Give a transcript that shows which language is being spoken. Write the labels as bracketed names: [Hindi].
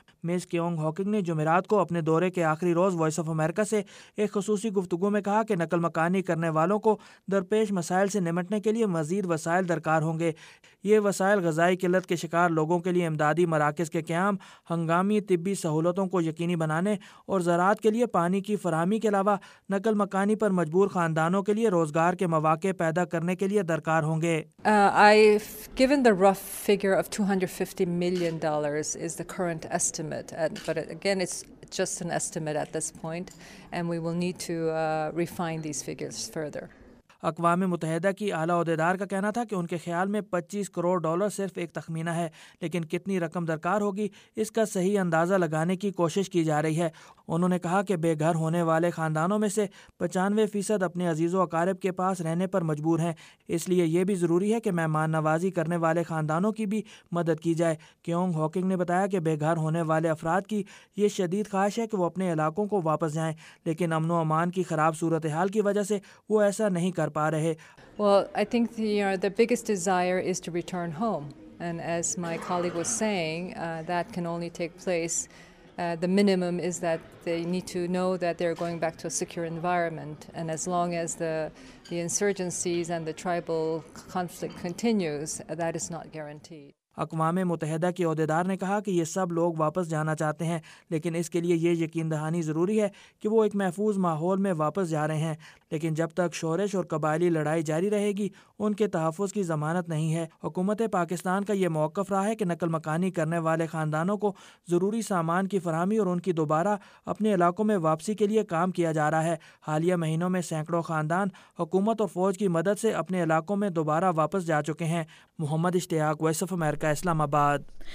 [Urdu] مس queuing Hawking نے جمعرات کو اپنے دورے کے آخری روز وائس آف امریکہ سے ایک خصوصی گفتگو میں کہا کہ نقل مکانی کرنے والوں کو درپیش مسائل سے نمٹنے کے لیے مزید وسائل درکار ہوں گے۔ یہ وسائل غذائی قلت کے شکار لوگوں کے لیے امدادی مراکز کے قیام، ہنگامی طبی سہولتوں کو یقینی بنانے اور زراعت کے لیے پانی کی فراہمی کے علاوہ نقل مکانی پر مجبور خاندانوں کے لیے روزگار کے مواقع پیدا کرنے کے لیے درکار ہوں گے۔ [English] Given the rough figure of $250 million is the current estimate, but again it's just an estimate at this point and we will need to refine these figures further. [Urdu] اقوام متحدہ کی اعلیٰ عہدیدار کا کہنا تھا کہ ان کے خیال میں $25 کروڑ صرف ایک تخمینہ ہے، لیکن کتنی رقم درکار ہوگی اس کا صحیح اندازہ لگانے کی کوشش کی جا رہی ہے۔ انہوں نے کہا کہ بے گھر ہونے والے خاندانوں میں سے 95% اپنے عزیز و اقارب کے پاس رہنے پر مجبور ہیں، اس لیے یہ بھی ضروری ہے کہ مہمان نوازی کرنے والے خاندانوں کی بھی مدد کی جائے۔ کیونگ ہاکنگ نے بتایا کہ بے گھر ہونے والے افراد کی یہ شدید خواہش ہے کہ وہ اپنے علاقوں کو واپس جائیں، لیکن امن و امان کی خراب صورتحال کی وجہ سے وہ ایسا نہیں کر پا رہے۔ [English] Well, I think the biggest desire is to return home. And as my colleague was saying, that can only take place. The minimum is that they need to know that they're going back to a secure environment. And as long as the insurgencies and the tribal conflict continues, that is not guaranteed. [Urdu] اقوام متحدہ کے عہدیدار نے کہا کہ یہ سب لوگ واپس جانا چاہتے ہیں، لیکن اس کے لیے یہ یقین دہانی ضروری ہے کہ وہ ایک محفوظ ماحول میں واپس جا رہے ہیں، لیکن جب تک شورش اور قبائلی لڑائی جاری رہے گی ان کے تحفظ کی ضمانت نہیں ہے۔ حکومت پاکستان کا یہ موقف رہا ہے کہ نقل مکانی کرنے والے خاندانوں کو ضروری سامان کی فراہمی اور ان کی دوبارہ اپنے علاقوں میں واپسی کے لیے کام کیا جا رہا ہے۔ حالیہ مہینوں میں سینکڑوں خاندان حکومت اور فوج کی مدد سے اپنے علاقوں میں دوبارہ واپس جا چکے ہیں۔ محمد اشتیاق، وائس آف امریکہ، اسلام آباد۔